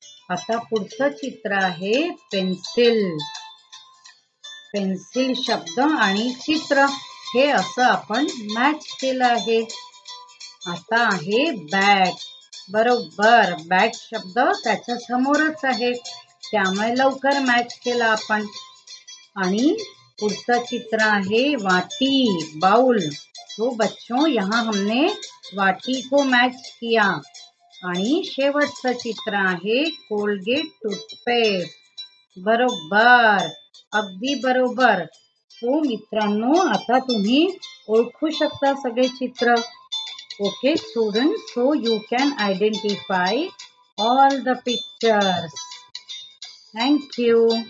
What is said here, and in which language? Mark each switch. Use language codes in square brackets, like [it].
[mr] आता पुढचं चित्र आहे पेन्सिल। पेन्सिल शब्द आणि चित्र हे असं आपण मॅच केलं आहे। आता आहे बॅट। बरोबर बॅट शब्द त्याच्या समोरच आहे, त्यामुळे लवकर मॅच केला आपण। आणि पुढचं चित्र आहे वाटी, बाउल। [hi] तो बच्चों यहाँ हमने वाटी को मॅच किया। [mr] आणि शेवटचं चित्र आहे कोलगेट टूथपेस्ट। बरोबर अगदी बरोबर। सो मित्रांनो, आता तुम्ही ओळखू शकता सगळे चित्र। [en] Okay student, so you can identify all the pictures. Thank you.